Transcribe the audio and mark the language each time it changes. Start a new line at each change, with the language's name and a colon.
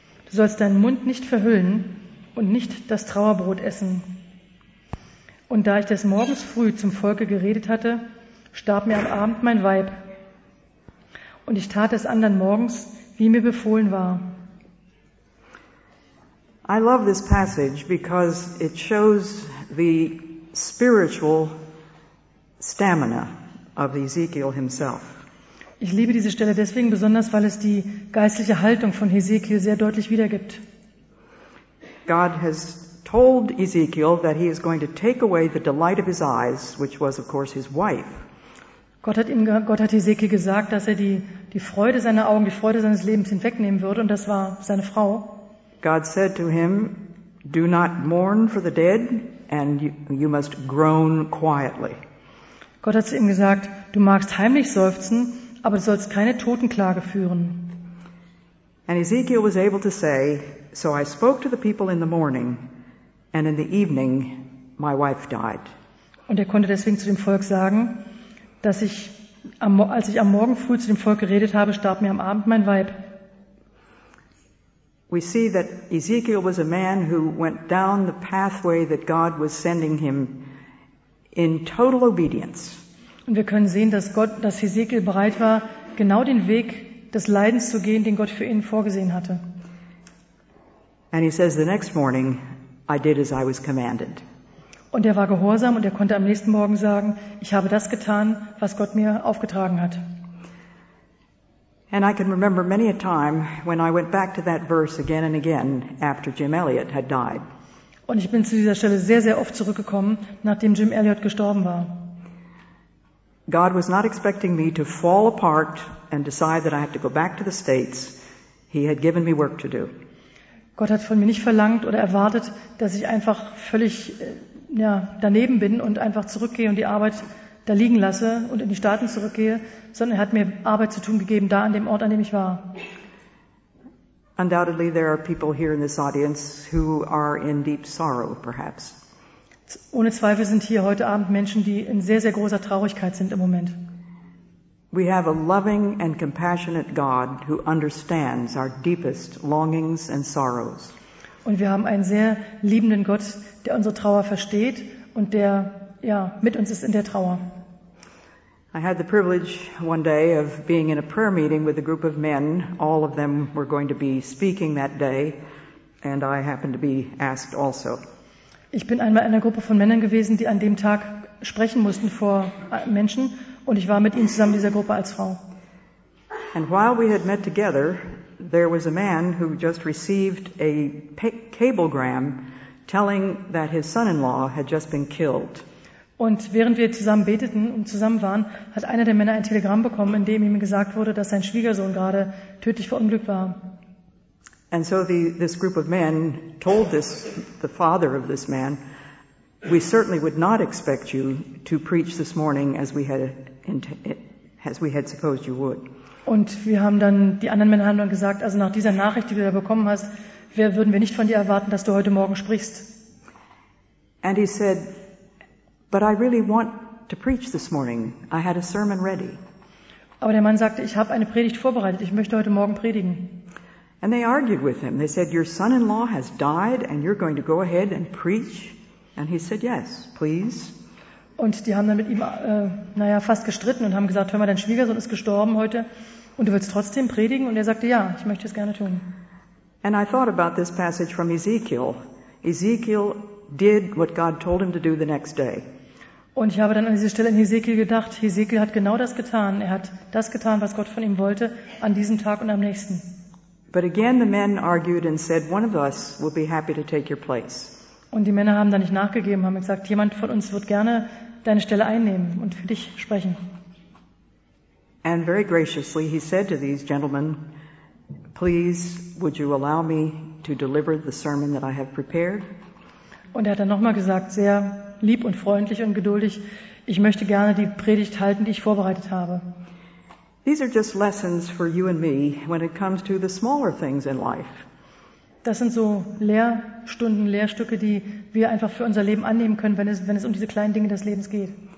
German: Du sollst deinen Mund nicht verhüllen und nicht das Trauerbrot essen. Und da ich des Morgens früh zum Volke geredet hatte, starb mir am Abend mein Weib. Und ich tat es andern Morgens, wie mir befohlen war.
English: I love this passage because it shows the spiritual stamina of Ezekiel himself.
German: Ich liebe diese Stelle deswegen besonders, weil es die geistliche Haltung von Ezekiel sehr deutlich wiedergibt.
English: God has told Ezekiel that he is going to take away the delight of his eyes, which was of course his wife.
German: Gott hat Ezekiel gesagt, dass er die Freude seiner Augen, die Freude seines Lebens hinwegnehmen würde, und das war seine Frau.
English: God said to him, "Do not mourn for the dead, and you must groan quietly."
German: Gott hat zu ihm gesagt, du magst heimlich seufzen, aber du sollst keine Totenklage führen.
English: And Ezekiel was able to say, "So I spoke to the people in the morning, and in the evening my wife died."
German: Und er konnte deswegen zu dem Volk sagen, dass ich, als ich am Morgen früh zu dem Volk geredet habe, starb mir am Abend mein Weib.
English: We see that Ezekiel was a man who went down the pathway that God was sending him in total obedience.
German: Und wir können sehen, dass Ezekiel bereit war, genau den Weg des Leidens zu gehen, den Gott für ihn vorgesehen hatte.
English: And he says, the next morning, I did as I was commanded.
German: Und er war gehorsam und er konnte am nächsten Morgen sagen, ich habe das getan, was Gott mir aufgetragen hat.
English: And I can remember many a time when I went back to that verse again and again after Jim Elliot had died.
German: Und ich bin zu dieser Stelle sehr, sehr oft zurückgekommen, nachdem Jim Elliot gestorben war.
English: God was not expecting me to fall apart and decide that I have to go back to the States. He had given me work to do.
German: Gott hat von mir nicht verlangt oder erwartet, dass ich einfach völlig daneben bin und einfach zurückgehe und die Arbeit da liegen lasse und in die Staaten zurückgehe, sondern er hat mir Arbeit zu tun gegeben, da an dem Ort, an dem ich war.
English: Undoubtedly there are people here in this audience who are in deep sorrow, perhaps.
German: Ohne Zweifel sind hier heute Abend Menschen, die in sehr, sehr großer Traurigkeit sind im Moment.
English: We have a loving and compassionate God who understands our deepest longings and sorrows.
German: Und wir haben einen sehr liebenden Gott, der unsere Trauer versteht und der mit uns ist in der Trauer.
English: I had the privilege one day of being in a prayer meeting with a group of men. All of them were going to be speaking that day, and I happened to be asked also.
German: Ich bin einmal in einer Gruppe von Männern gewesen, die an dem Tag sprechen mussten vor Menschen, und ich war mit ihnen zusammen in dieser Gruppe als Frau.
English: And while we had met together, there was a man who just received a cablegram telling that his son-in-law had just been killed.
German: Und während wir zusammen beteten und zusammen waren, hat einer der Männer ein Telegramm bekommen, in dem ihm gesagt wurde, dass sein Schwiegersohn gerade tödlich verunglückt war.
English: And so this group of men told the father of this man, we certainly would not expect you to preach this morning as we had supposed you would.
German: Und wir haben dann die anderen Männer haben dann gesagt, also nach dieser Nachricht, die du da bekommen hast, würden wir nicht von dir erwarten, dass du heute Morgen sprichst.
English: And he said, but I really want to preach this morning. I had a sermon ready.
German: Aber der Mann sagte, ich habe eine Predigt vorbereitet. Ich möchte heute Morgen predigen.
English: And they argued with him. They said, your son-in-law has died and you're going to go ahead and preach? And he said, yes, please.
German: Und die haben dann mit ihm fast gestritten und haben gesagt, hör mal, dein Schwiegersohn ist gestorben heute und du willst trotzdem predigen? Und er sagte, ja, ich möchte es gerne tun.
English: And I thought about this passage from Ezekiel. Ezekiel did what God told him to do the next day.
German: Und ich habe dann an diese Stelle in Hesekiel gedacht. Hesekiel hat genau das getan. Er hat das getan, was Gott von ihm wollte, an diesem Tag und am nächsten.
English: But again the men argued and said, one of us will be happy to take your place.
German: Und die Männer haben dann nicht nachgegeben, haben gesagt, jemand von uns wird gerne deine Stelle einnehmen und für dich sprechen.
English: And very graciously he said to these gentlemen, please would you allow me to deliver the sermon that I have prepared?
German: Und er hat dann nochmal gesagt, sehr lieb und freundlich und geduldig, ich möchte gerne die Predigt halten, die ich vorbereitet habe.
English: These are just lessons for you and me when it comes to the smaller things in life.
German: Das sind so Lehrstunden, Lehrstücke, die wir einfach für unser Leben annehmen können, wenn es um diese kleinen Dinge des Lebens geht.